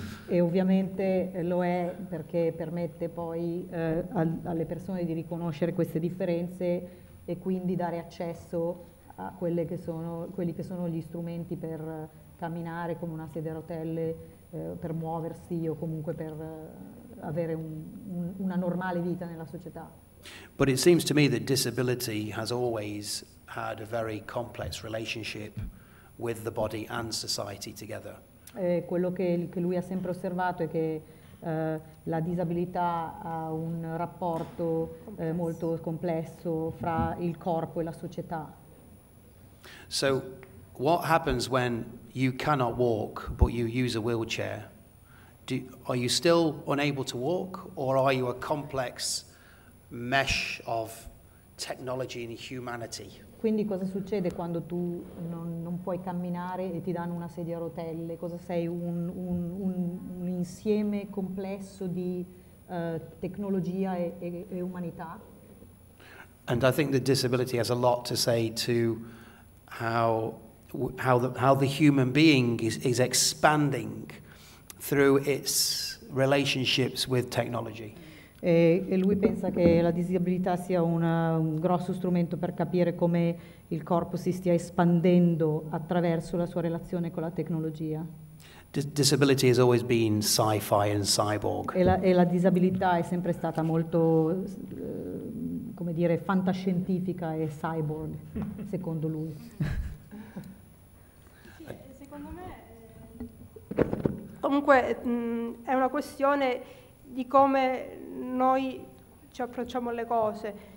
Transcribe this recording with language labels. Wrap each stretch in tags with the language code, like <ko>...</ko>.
<it>E ovviamente lo è perché permette poi alle persone di riconoscere queste differenze e quindi dare accesso a quelli che sono gli strumenti per camminare, come una sedia a rotelle, per muoversi o comunque per avere una normale vita nella società.</it> <en>But it seems to me that disability has always had a very complex relationship with the body and society together.</en> <it>Quello che lui ha sempre osservato è che la disabilità ha un rapporto molto complesso fra il corpo e la società.</it> <en>So what happens when you cannot walk but you use a wheelchair? Are you still unable to walk, or are you a complex mesh of technology and humanity?</en> <it>Quindi cosa succede quando tu non puoi camminare e ti danno una sedia a rotelle? Cosa sei? Un insieme complesso di tecnologia e umanità?</it> <en>And I think that disability has a lot to say to how the human being is expanding through its relationships with technology.</en> <it>E lui pensa che la disabilità sia un grosso strumento per capire come il corpo si stia espandendo attraverso la sua relazione con la tecnologia.</it> <en>Disability has always been sci-fi and cyborg.</en> <it>E la disabilità è sempre stata molto, come dire, fantascientifica e cyborg, secondo lui. Sì, secondo me comunque è una questione di come noi ci approcciamo alle cose.</it>